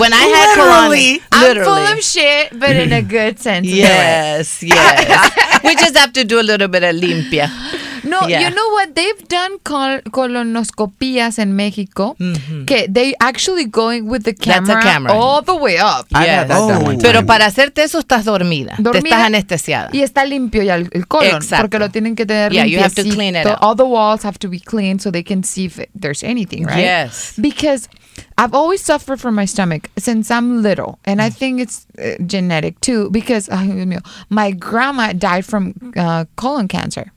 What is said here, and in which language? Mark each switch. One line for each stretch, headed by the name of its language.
English: When I had colonics, I'm full of shit, but in a good sense. Yes, yes. We just have to do a little bit of limpia. No, you know what? They've done colonoscopias in Mexico. Mm-hmm. Okay, they actually going with the camera all the way up.
Spanish: Pero para hacerte eso estás dormida. Te estás anestesiada. Y está limpio ya el colon. Exacto. Porque lo tienen que tener limpio.
English: Yeah, you have to clean it up. All the walls have to be clean so they can see if there's anything, right? Yes. Because I've always suffered from my stomach since I'm little. And I think it's genetic too because my grandma died from colon cancer.